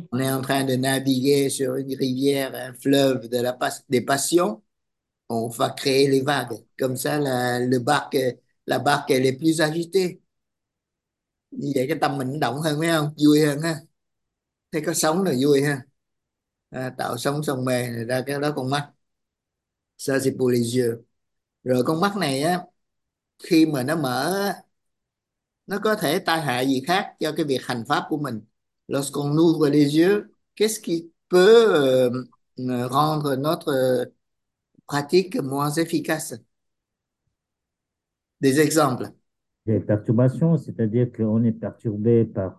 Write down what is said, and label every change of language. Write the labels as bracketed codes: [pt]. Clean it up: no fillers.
[fr] On est en train de naviguer sur une rivière, un fleuve de la pas des passions. On va créer les vagues. Comme ça, la barque, elle est plus agitée. [vi] Như vậy cái tâm mình động hơn, phải không? Vui hơn ha. Thấy có sóng là vui ha. À, tạo sóng trong mê ra cái đó con mắt. [fr] Ça c'est pour les yeux. [vi] Rồi con mắt này á, khi mà nó mở, nó có thể tai hại gì khác cho cái việc hành pháp của mình. [fr] Lorsqu'on ouvre les yeux, qu'est-ce qui peut rendre notre pratique moins efficace? Des exemples. Des perturbations, c'est-à-dire qu'on est perturbé par